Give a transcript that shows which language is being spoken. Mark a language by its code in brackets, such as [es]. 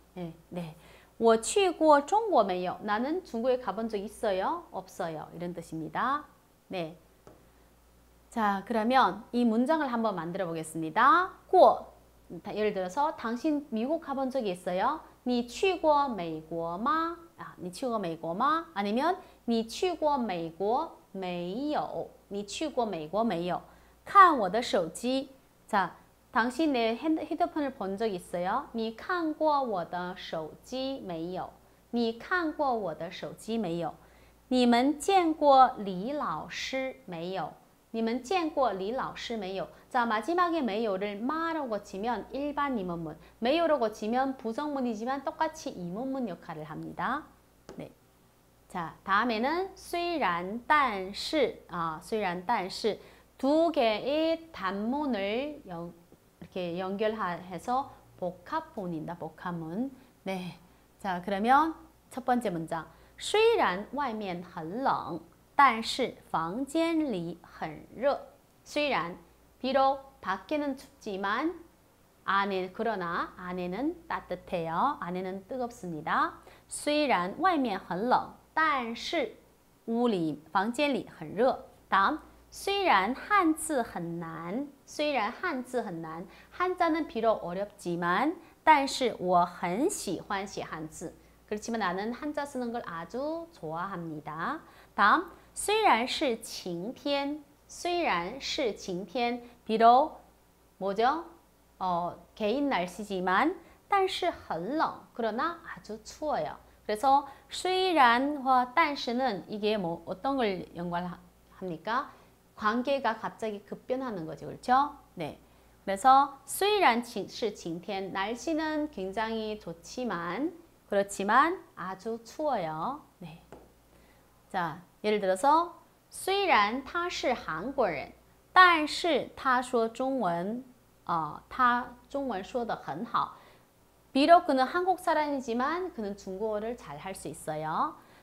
[zh] 네. 我去过中国没有? [ko] 나는 중국에 가본 적 있어요? 없어요. 이런 뜻입니다. 네. 자, 그러면 이 문장을 한번 만들어 보겠습니다. [zh] 过. [ko] 예를 들어서 당신 미국 가본 적이 있어요? [zh] 你去过美国吗?아, 你去过美国吗? 아니면 你去过美国没有? 你去过美国没有?看我的手机. [ko] 자, 당신 내 휴대폰을 본적 있어요? [zh] 你看过我的手机没有?你看过我的手机没有? 你们见过李老师没有? 你们见过李老师没有? [ko] 자, 마지막에 没有를 마라고 치면 일반 疑问문, 没有라고 치면 부정문이지만 똑같이 疑问문 역할을 합니다. 네. 자, 다음에는 虽然但是, 虽然但是 두 개의 단문을 이렇게 연결해서 복합문입니다. 복합문. 네. 자, 그러면 첫 번째 문장. [zh] 虽然外面很冷, 但是房间里很热. 虽然, [ko] 비록 밖에는 춥지만 그러나 안에는 따뜻해요. 안에는 뜨겁습니다. [zh] 虽然外面很冷,但是屋里房间里很热. 다음, 虽然汉字很难,虽然汉字很难. [ko] 한자는 비록 어렵지만, [zh] 但是我很喜欢写汉字. [ko] 그렇지만 나는 한자 쓰는 걸 아주 좋아합니다. [zh] 다음, 虽然是晴天,虽然是晴天. [ko] 비록 뭐죠? 개인 날씨지만, [zh] 但是很冷. [ko] 그러나 아주 추워요. 그래서 虽然과 但是는 이게 뭐 어떤 걸 연관합니까? 관계가 갑자기 급변하는 거죠, 그렇죠? 네. 그래서 [zh] 虽然是晴天, [ko] 날씨는 굉장히 좋지만, 그렇지만 아주 추워요. 네. [zh] 자, 예를 들어서 虽然他是韩国人,但是他说中文. 他中文说得很好. [ko] 비록 그는 한국 사람이지만 그는 중국어를 잘 할 수 있어요.